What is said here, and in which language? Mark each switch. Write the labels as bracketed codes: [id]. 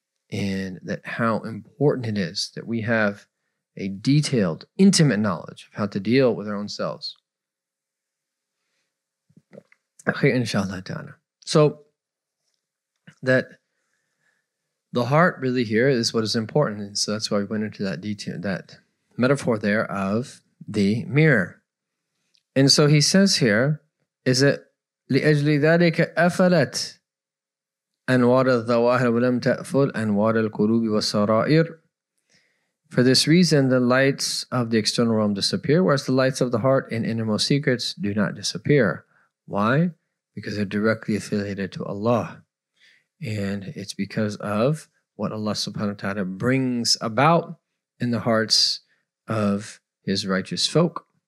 [en] And that how important it is that we have a detailed, intimate knowledge of how to deal with our own selves. Okay, inshallah ta'ala. So that the heart really here is what is important. And so that's why we went into that detail, that metaphor there of the mirror. And so he says here, is it [ar] لِأَجْلِ ذَلِكَ أَفَلَتْ أَنْوَارَ الظَّوَاهِرَ وَلَمْ تَأْفُلْ أَنْوَارَ الْقُلُوبِ وَالسَّرَائِرِ. [en] For this reason, the lights of the external realm disappear, whereas the lights of the heart and innermost secrets do not disappear. Why? Because they're directly affiliated to Allah. And it's because of what Allah subhanahu wa ta'ala brings about in the hearts of His righteous folk.